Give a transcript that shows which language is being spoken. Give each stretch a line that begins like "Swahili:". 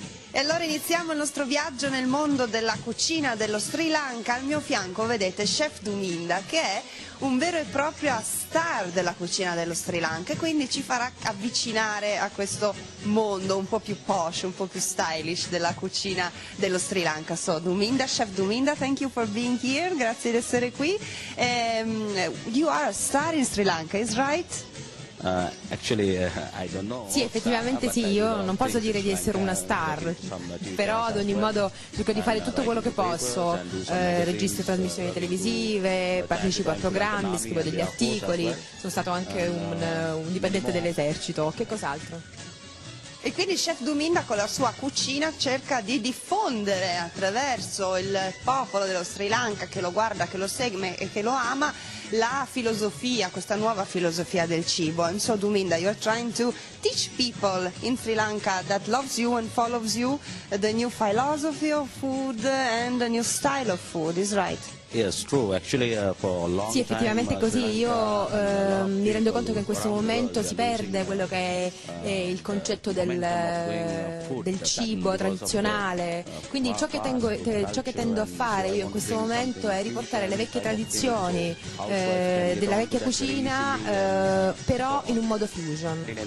Italian: E allora iniziamo il nostro viaggio nel mondo della cucina dello Sri Lanka. Al mio fianco vedete Chef Duminda, che è un vero e proprio star della cucina dello Sri Lanka, e quindi ci farà avvicinare a questo mondo un po' più posh, un po' più stylish della cucina dello Sri Lanka.
English: So, Duminda, Chef Duminda, thank you for being here.
Italian: Grazie di essere qui.
English: You are a star in Sri Lanka, is right? Actually, I don't know.
Italian: Sì, effettivamente sì, io non posso dire di essere una star, però ad ogni modo cerco di fare tutto quello che posso, registro trasmissioni televisive, partecipo a programmi, scrivo degli articoli, sono stato anche un dipendente dell'esercito, che cos'altro? E quindi Chef Duminda con la sua cucina cerca di diffondere attraverso il popolo dello Sri Lanka che lo guarda, che lo segue e che lo ama, la filosofia, questa nuova filosofia del cibo.
English: And so Duminda, you are trying to teach people in Sri Lanka that loves you and follows you the new philosophy of food and the new style of food, is right? Yes, true. Actually, for a long
Italian: sì, effettivamente
English: time,
Italian: così. Io mi rendo conto che in questo momento si perde quello che è il concetto del cibo tradizionale. Quindi ciò che tendo a fare io in questo momento è riportare le vecchie tradizioni della vecchia cucina, però in un modo fusion.